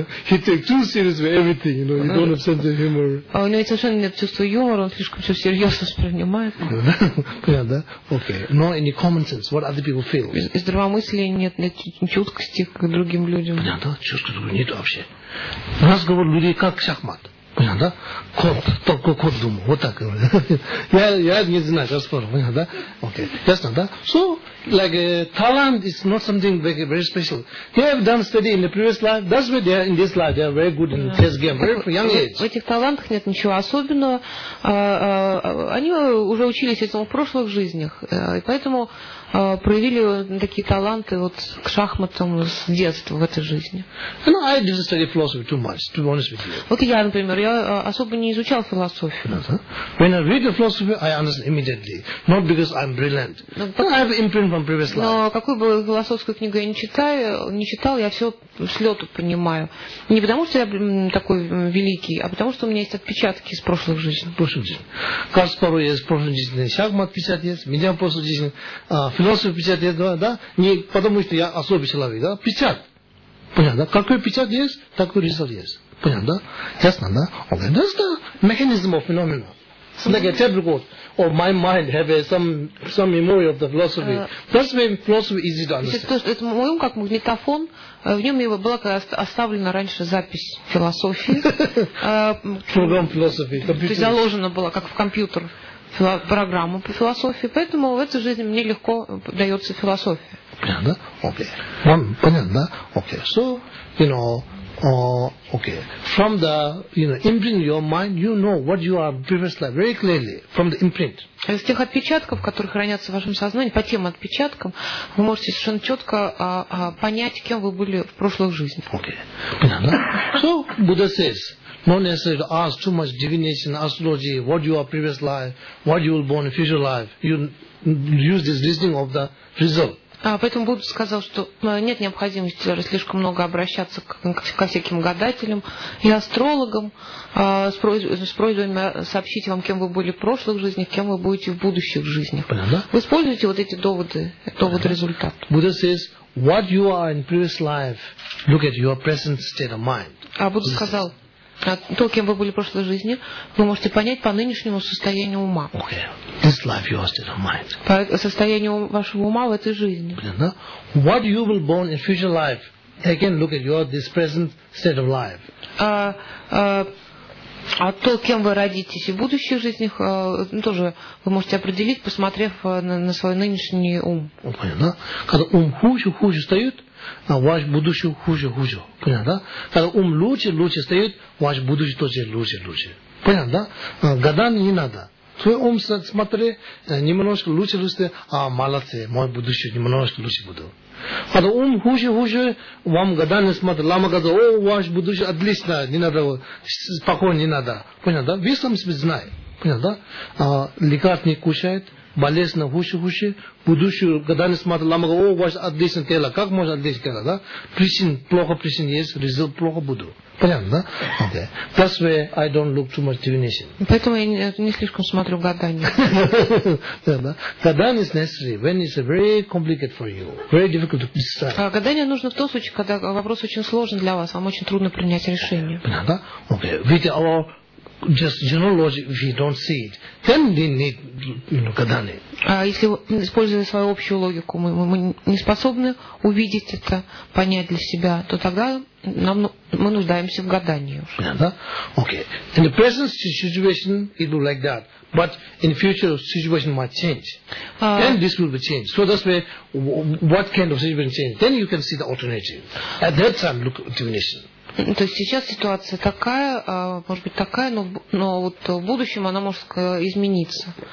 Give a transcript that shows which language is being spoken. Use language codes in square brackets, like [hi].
[en] He takes too seriously everything, you know, you don't have sense of humor. [ru] У него совершенно нет чувства юмора, он слишком все серьезно воспринимает. Понял, да? Окей, но [en] any common sense, what other people feel. [ru] Здравомыслия нет, нет чуткости к другим людям. Понятно, да? Чувство другого нет вообще. Разговор людей как шахмат. Понятно, да? Кот, только кот думал. Вот так. я не знаю, как спор. Понятно, да? Окей. [en] Okay. [ru] Ясно, да? [en] So, like, talent is not something very, very special. They have done study in the previous life. That's why they are in this life. They are very good in chess game. Very young age. [ru] В этих талантах нет ничего особенного. Они уже учились этому в прошлых жизнях. И поэтому проявили такие таланты вот к шахматам с детства в этой жизни. [en] No, I didn't study philosophy too much, to be honest with you. [ru] Вот я, например, я особо не изучал философию. [en] When I read the philosophy, I understand immediately. Not because I'm brilliant. But I have imprint from previous life. [ru] Но какую бы философскую книгу я не читал, я все с лету понимаю. Не потому, что я такой великий, а потому, что у меня есть отпечатки из прошлых жизней. Прошлых жизней. Каспару есть прошлых жизней. Шахмат 50 лет. Меня прошлых жизней. Философ 50 лет, да? Не потому, что я особый человек, да? Печат. Понятно, да? Какой печат есть, такой результат есть. Понятно, да? Ясно, да? [en] Okay. That's the mechanism of phenomena. It's like a tape record of my mind have some memory of the philosophy. That's why philosophy is easy to understand. [ru] Это мой ум как магнитофон, в нем была оставлена раньше запись философии. [en] Program philosophy. [ru] То есть заложена была, как в компьютер. Программу по философии, поэтому в этой жизни мне легко дается философия. Понятно, да? Окей. Вам понятно, да? Окей. [en] So, you know, okay. From the, you know, imprint your mind, you know what you are previous life very clearly from the imprint. [ru] Из тех отпечатков, которые хранятся в вашем сознании, по тем отпечаткам, вы можете совершенно четко понять, кем вы были в прошлых жизнях. Окей. Понятно, да? [en] So, Buddha says, not necessary to ask too much divination, astrology, what you are previous life, what you will born in future life. You use this reasoning of the result. [ru] Поэтому Будда сказал, что нет необходимости слишком много обращаться ко всяким гадателям и астрологам с просьбами сообщить вам, кем вы были в прошлых жизнях, кем вы будете в будущих жизнях. Понятно? Вы используете вот эти доводы, довод результат. [en] Будда says, what you are in previous life, look at your present state of mind. [ru] А Будда сказал, то, кем вы были в прошлой жизни, вы можете понять по нынешнему состоянию ума. [en] Okay. This life you are still in mind. [ru] По состоянию вашего ума в этой жизни. Понятно? [en] What you will born in future life, again, look at your this present state of life. [ru] А то, кем вы родитесь в будущих жизнях, тоже вы можете определить, посмотрев на свой нынешний ум. Понятно? Когда ум хуже встает, ваш будущий хуже. Понятно, да? Когда ум лучше встает, ваш будущий тоже лучше. Понятно, да? Года не надо. твой ум смотри, немножко лучше будешь, а молодцы, мой будущий немножко лучше буду. А то ум хуже, вам года не смотрит. Лама говорит, о, ваш будущий отлично, не надо, спокойно не надо. Понял, да? Весь сам себе знает. Понял, да? А, лекарств не кушает, болезненно хуже, будущую года не смотрит. Лама говорит, о, ваш отлично тело, как можно отлично тело, да? Причин есть, результат плохо буду. Понятно, да? [en] Okay. That's why I don't look too much divination. [ru] Поэтому я не слишком смотрю гадание. [en] Гадание is necessary when it's very complicated for you. Very difficult to decide. [ru] Гадание нужно в том случае, когда вопрос очень сложен для вас, вам очень трудно принять решение. Понятно, да? [en] Okay. With our just general logic, if you don't see it, then we need гадание. [ru] А если, используя свою общую логику, мы не способны увидеть это, понять для себя, то тогда мы нуждаемся в гадании. Да? Окей. [en] In the present situation, it will like that. But in future, situation might change. Then this will be changed. So that's where, what kind of situation change? Then you can see the alternative. At that time, look at divination. [ru] То есть сейчас ситуация такая, может быть такая, но вот в будущем она может измениться.